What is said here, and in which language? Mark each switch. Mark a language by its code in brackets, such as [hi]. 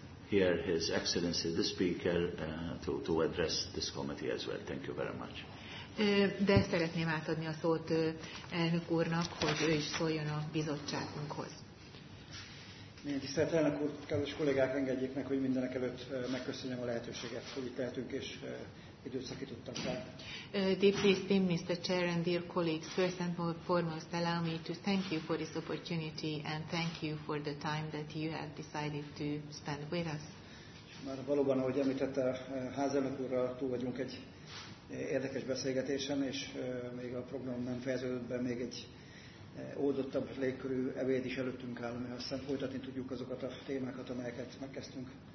[en] hear His Excellency the Speaker to address this committee as well. Thank you very much. [hu] De szeretném átadni a szót elnök úrnak, hogy ő is szóljon a bizottságunkhoz. Én tisztelt elnök úr, kedves kollégák, engedjék meg, hogy mindenek előtt megköszönjem a lehetőséget, hogy itt lehetünk, és időt szakítottam fel. [en] Deeply esteemed Mr. Chair and dear colleagues, first and foremost, allow me to thank you for this opportunity and thank you for the time that you have decided to spend with us. [hu] Már valóban, ahogy említette a házelnök úrral, túl vagyunk egy érdekes beszélgetésen, és még a program nem fejeződött be, még egy oldottabb légkörű ebéd is előttünk áll, mert aztán folytatni tudjuk azokat a témákat, amelyeket megkezdtünk.